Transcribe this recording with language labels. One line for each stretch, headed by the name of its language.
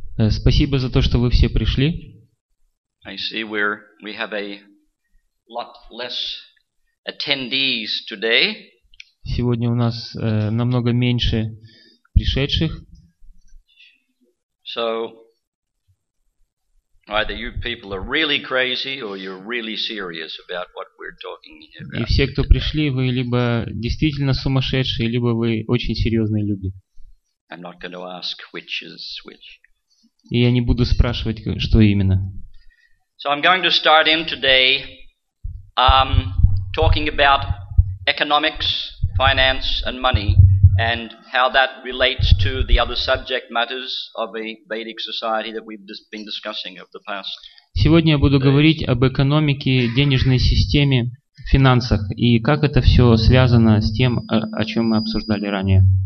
Russian: Спасибо за то, что вы все пришли.
English: I see we have a lot less attendees today.
Russian: Сегодня у нас намного меньше пришедших.
English: So either you people are really crazy or you're really serious about what we're talking about.
Russian: И все, кто пришли, вы либо действительно сумасшедшие, либо вы очень серьезные люди.
English: I'm not going to ask which is which.
Russian: И я не буду спрашивать, что именно.
English: So I'm going to start in today talking about economics, finance and money and how that relates to the other subject matters of a Vedic society that we've been discussing over the past.
Russian: Сегодня я буду говорить об экономике, денежной системе, финансах и как это все связано с тем, о чем мы обсуждали ранее.